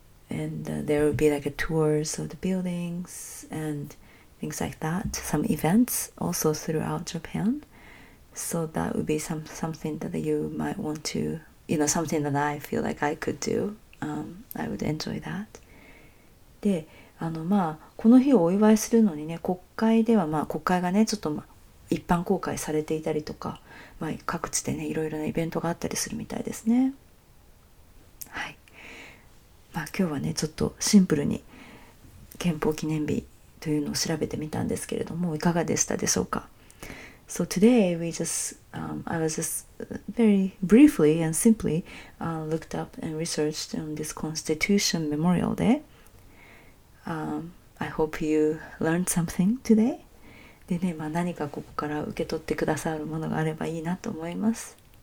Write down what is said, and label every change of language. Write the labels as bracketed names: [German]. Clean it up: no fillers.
[English] And there will be like a tours of the buildings andthings like that, some events also throughout Japan. So that would be something that you might want to, you know, something that I feel like I could do. I would enjoy that. [Japanese] で、まあ、この日をお祝いするのにね、国会では、まあ、国会がね、ちょっと、まあ、一般公開されていたりとか、まあ、各地でね、いろいろなイベントがあったりするみたいですね。はい。まあ、今日はね、ちょっとシンプルに憲法記念日、というのを調べてみたんですけれども、いかがでしたでしょうか。 [English] So today we just, I was just very briefly and simply looked up and researched on this Constitution Memorial Day. I hope you learned something today. [Japanese] でね、まあ、何かここから受け取ってくださるものがあればいいなと思います。